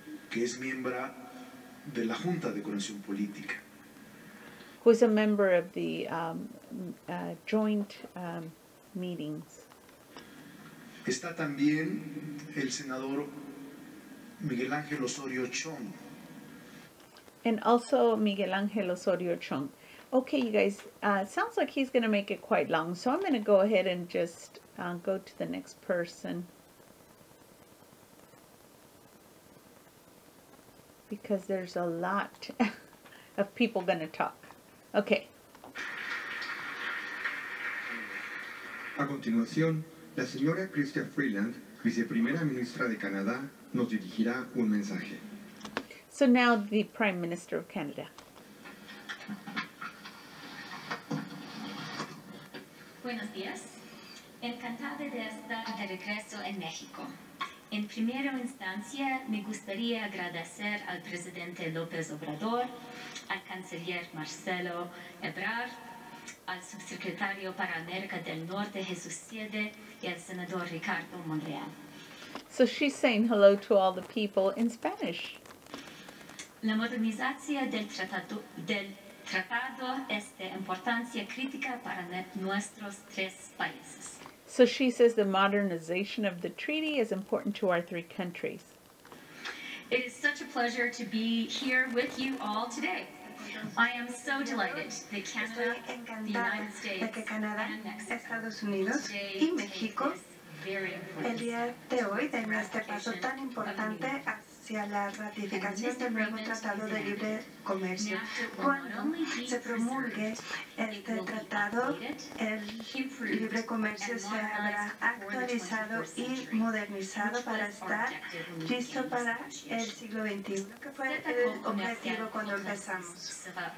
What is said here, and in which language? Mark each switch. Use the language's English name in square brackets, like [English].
[Spanish] Que es miembro de la Junta de Coordinación Política. [English] Who is a member of the joint meetings. [Spanish] Está también el senador Miguel Ángel Osorio Chong. [English] And also Miguel Ángel Osorio Chong. Okay, you guys, sounds like he's going to make it quite long, so I'm going to go ahead and just go to the next person. Because there's a lot of people going to talk. Okay. [Spanish] A continuación, la señora Chrystia Freeland, viceprimera ministra de Canadá, nos dirigirá un mensaje. [English] So now the Prime Minister of Canada. [Spanish] Buenos días. Encantada de estar de regreso en México. En primera instancia, me gustaría agradecer al presidente López Obrador, al canciller Marcelo Ebrard, al subsecretario para América del Norte, Jesús Siede, y al senador Ricardo Monreal. [English] So she's saying hello to all the people in Spanish. [Spanish] La modernización del tratado es de importancia crítica para nuestros tres países. [English] So she says the modernization of the treaty is important to our three countries. It is such a pleasure to be here with you all today. I am so delighted that Canada, the United States, [Spanish] que Canadá, [English] and Mexico, [Spanish] Estados Unidos y México, el día de hoy den este paso tan importante hacia la ratificación del nuevo Tratado de Libre Comercio. Cuando se promulgue este tratado, el libre comercio se habrá actualizado y modernizado para estar listo para el siglo XXI, que fue el objetivo cuando empezamos.